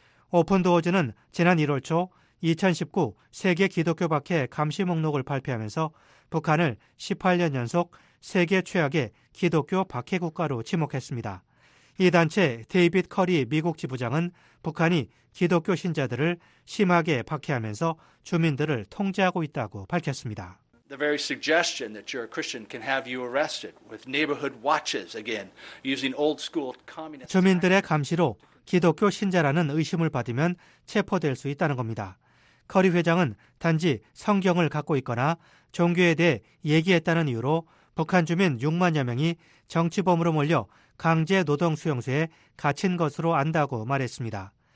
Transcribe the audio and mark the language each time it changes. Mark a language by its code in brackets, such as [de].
[ko] 오픈도어즈는 지난 1월 초 2019 세계 기독교 박해 감시 목록을 발표하면서 북한을 18년 연속 세계 최악의 기독교 박해 국가로 지목했습니다. 이 단체 데이빗 커리 미국 지부장은 북한이 기독교 신자들을 심하게 박해하면서 주민들을 통제하고 있다고 밝혔습니다. [en] The very suggestion that you're a Christian can have you arrested with neighborhood watches again using old school communist [ko] 주민들의 감시로 기독교 신자라는 의심을 받으면 체포될 수 있다는 겁니다. 커리 회장은 단지 성경을 갖고 있거나 종교에 대해 얘기했다는 이유로 북한 주민 6만여 명이 정치범으로 몰려 강제 노동 수용소에 갇힌 것으로 안다고 말했습니다.